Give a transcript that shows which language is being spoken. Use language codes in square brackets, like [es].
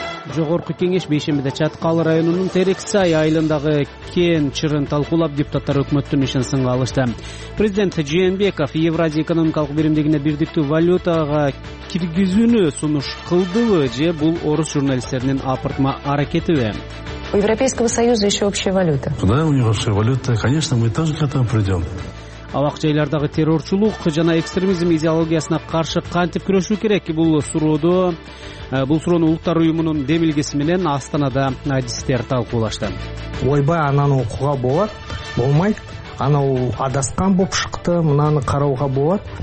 [ky] Жогорку кеңеш бейшембиде Чаткал районунун Терексай айылындагы кен чырын талкуулап депутаттар өкмөттүн ишин сынга алышты. Президент Жээнбеков Евразия экономикалык биримдигине бирдиктүү валютага киргизүүнү сунуш кылдыбы же бул орус журналисттеринин апыртма аракетиби? [ru] У Европейского Союза еще общая валюта. Куда у него общая валюта? Конечно, мы тоже к этому придем. [ky] Абак жайлардагы террорчулук жана экстремизм идеологиясына каршы кантип күрөшүү керек? Бул суроону Улуттар уюмунун демилгеси менен Астанада адистер талкуулашты. [kk] Ойбай, ананы окууга болот, болмайт. Анау адаскан болуп чыкты, мынаны карауга болот.